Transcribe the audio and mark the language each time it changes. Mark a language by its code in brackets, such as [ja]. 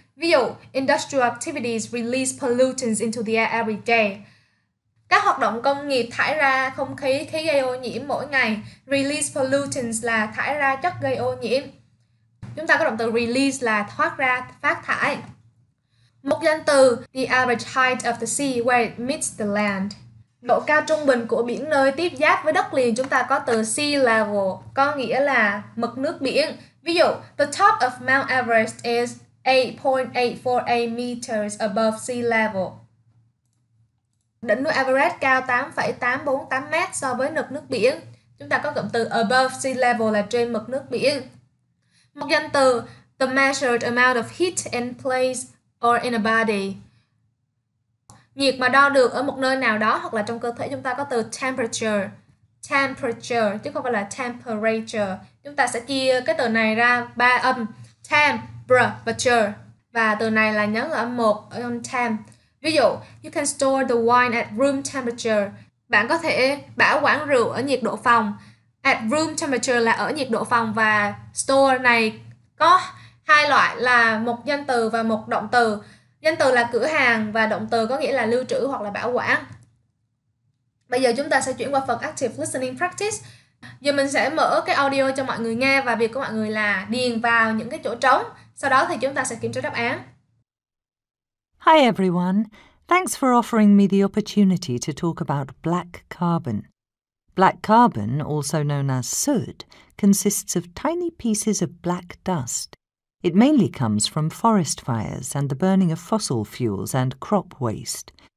[vi] Ví dụ, [en] industrial activities release pollutants into the air every day. [vi] Các hoạt động công nghiệp thải ra không khí, khí gây ô nhiễm mỗi ngày. [en] Release pollutants [vi] là thải ra chất gây ô nhiễm. Chúng ta có động từ release là thoát ra, phát thải. Một danh từ, [en] the average height of the sea where it meets the land. [vi] Độ cao trung bình của biển nơi tiếp giáp với đất liền, chúng ta có từ sea level, có nghĩa là mực nước biển. Ví dụ, [en] the top of Mount Everest is 8.848 meters above sea level. [vi] Đỉnh núi Everest cao 8.848 mét so với mực nước biển. Chúng ta có cụm từ above sea level là trên mực nước biển. Một danh từ, [en] the measured amount of heat in place or in a body. [vi] Nhiệt mà đo được ở một nơi nào đó hoặc là trong cơ thể, chúng ta có từ temperature. Temperature chứ không phải là temperature. Chúng ta sẽ chia cái từ này ra ba âm, temp, temperature. Và từ này là nhấn ở một âm temp. Ví dụ, [en] you can store the wine at room temperature. [vi] Bạn có thể bảo quản rượu ở nhiệt độ phòng. [en] At room temperature [vi] là ở nhiệt độ phòng, và store này có hai loại là một danh từ và một động từ. Danh từ là cửa hàng và động từ có nghĩa là lưu trữ hoặc là bảo quản. Bây giờ chúng ta sẽ chuyển qua phần [en] active listening practice. [vi] Giờ mình sẽ mở cái audio cho mọi người nghe và việc của mọi người là điền vào những cái chỗ trống. Sau đó thì chúng ta sẽ kiểm tra đáp án. [en] Hi everyone. Thanks for offering me the opportunity to talk about black carbon. Black carbon, also known as soot, consists of tiny pieces of black dust. It mainly comes from forest fires and the burning of fossil fuels and crop waste.